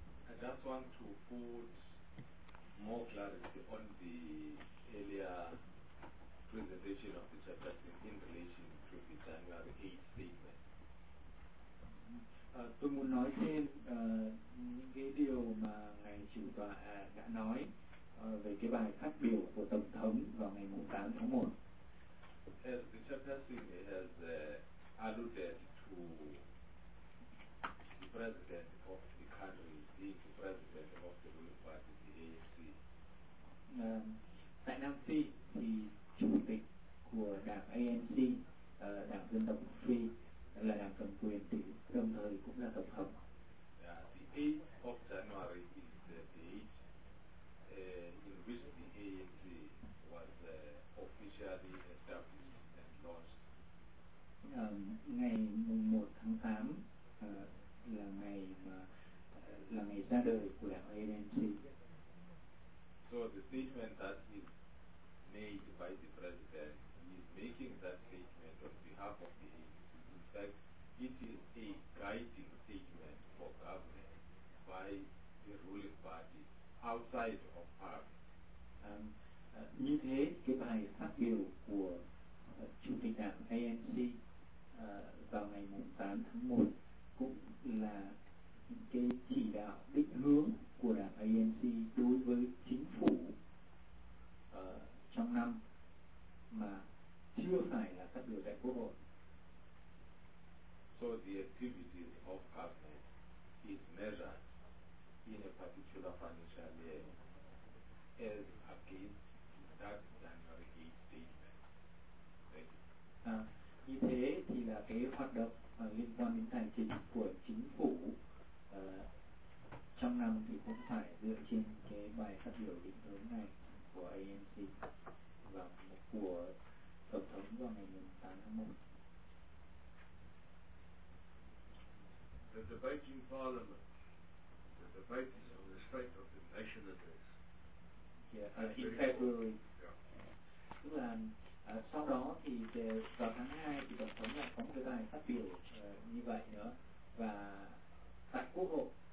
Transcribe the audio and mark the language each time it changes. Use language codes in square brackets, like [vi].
[en] I just want to put more clarity on the earlier presentation of the chapter in relation to the January 8th statement. [vi] Tôi muốn nói thêm những cái điều mà ngài chủ tọa đã nói về cái bài phát biểu của tổng thống vào ngày 8 tháng 1. [en] As the chapter has alluded to the president of the country, the president of the ruling party, the ANC. [vi] Tại Nam Phi thì chủ tịch của đảng ANC, đảng dân tộc Free, là đảng cầm quyền thì đồng thời cũng là tổng thống. [en] Yeah, the 8th of January is the date in which the ANC was officially established and launched. [vi] Ngày 1 tháng 8 là ngày mà [en] center equivalent, ANC. So the statement that is made by the president, he is making that statement on behalf of the ANC. In fact, it is a guiding statement for government by the ruling party outside of parliament. [vi] Như thế, cái bài phát biểu của chủ tịch đảng ANC vào ngày 8 tháng 1 cũng là cái chỉ đạo định hướng của đảng ANC đối với chính phủ trong năm mà chưa phải là phát biểu tại quốc hội. [en] So the activities of government is measured in a particular financial year as against that January 8 statement. [vi] Như thế thì là cái hoạt động liên quan đến tài chính của chính phủ trong năm thì cũng phải dựa trên cái bài phát biểu định hướng này của ANC và của Tổng thống vào ngày 8 tháng 1. [en] The debate in Parliament, the debate is on the state of the nation at this. Yeah, in February. Yeah. [vi] Tức là sau đó thì vào tháng 2 thì Tổng thống lại có một cái bài phát biểu như vậy nữa và tại Quốc hội.